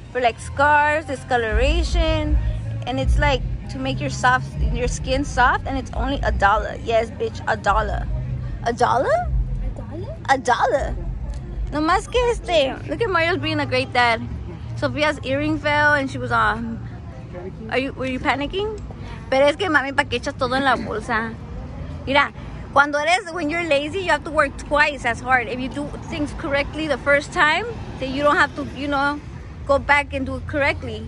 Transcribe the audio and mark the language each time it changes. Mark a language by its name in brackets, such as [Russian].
[English] For like scars, discoloration, and it's like to make your skin soft, and it's only $1. Yes, bitch, $1. $1? $1. [Spanish] No más que este. [English] Look at Mario's being a great dad. Sofia's earring fell and she was on. Were you panicking? [Spanish] Pero es que mami, ¿para qué echas todo en la bolsa? Mira, cuando eres, [English] when you're lazy, you have to work twice as hard. If you do things correctly the first time, then you don't have to, you know, go back and do it correctly.